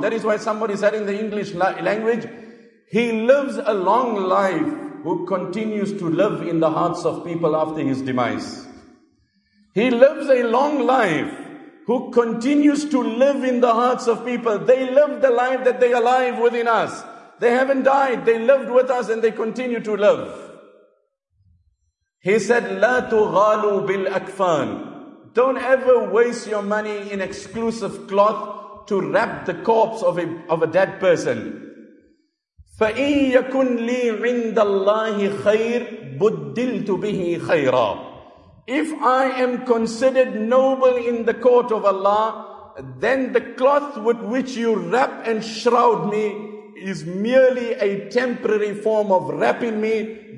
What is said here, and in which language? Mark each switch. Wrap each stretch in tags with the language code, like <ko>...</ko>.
<en>That is why somebody said in the English language, he lives a long life who continues to live in the hearts of people after his demise. He lives a long life who continues to live in the hearts of people. They live the life that they are alive within us. They haven't died. They lived with us and they continue to live. He said,</en> <ar>لا تغالوا بالأكفان.</ar> <en>Don't ever waste your money in exclusive cloth to wrap the corpse of a dead person.</en> <ar>فَإِن يَكُنْ لِي عِنْدَ اللَّهِ خَيْرٍ بُدِّلْتُ بِهِ خَيْرًا.</ar> <en>If I am considered noble in the court of Allah, then the cloth with which you wrap and shroud me is merely a temporary form of wrapping me.</en>